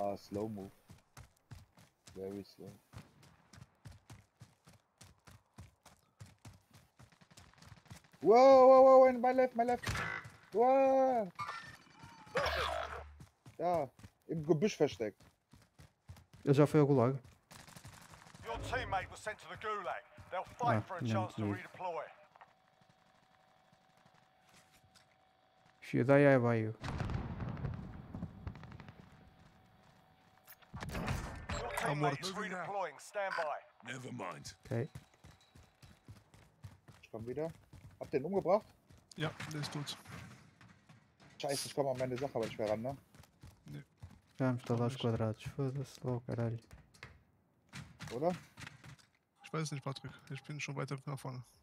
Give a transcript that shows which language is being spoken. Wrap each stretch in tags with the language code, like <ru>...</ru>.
<en>Slow move. Very slow. Whoa, in my left. Whoa!</en> <de>Da, im Gebüsch versteckt. Ja, ist auf der Gulag.</de> <en>Your teammate was sent to the Gulag. They'll fight for a chance to redeploy. Should I have you? I'm redeploying, stand by. Never mind. Okay.</en> <de>Ich komm wieder. Habt ihr ihn umgebracht? Ja, der ist tot. Scheiße, ich komme an meine Sache, aber ich wäre ran, ne? Nee. Wir haben Stalas Quadrat. Ich würde das low, Karali. Oder? Ich weiß es nicht, Patrick. Ich bin schon weiter nach vorne.</de>